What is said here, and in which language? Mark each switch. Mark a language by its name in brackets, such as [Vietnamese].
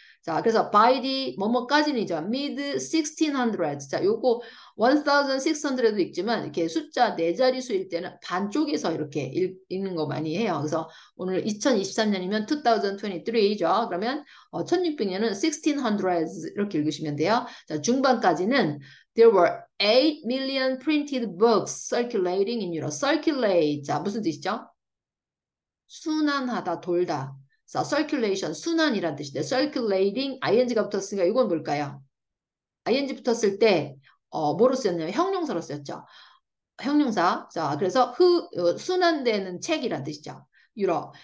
[Korean] 자, 그래서 [English] by the [Korean] 뭐뭐까지는 이제 mid 1600. 자, 요거 1600에도 읽지만 이렇게 숫자 네 자릿수일 때는 반쪽에서 이렇게 읽는 거 많이 해요. 그래서 오늘 2023년이면 2023이죠. 그러면 1600년은 1600 이렇게 읽으시면 돼요. 자, 중반까지는 [English] there were 8 million printed books circulating in Europe. [Korean] circulate. 자, 무슨 뜻이죠? 순환하다, 돌다. 자, circulation, 순환이란 뜻인데, circulating, ing가 붙었으니까 이건 뭘까요? ing 붙었을 때, 뭐로 쓰였냐면, 형용사로 쓰였죠. 형용사. 자, 그래서 순환되는 책이란 뜻이죠. 유럽.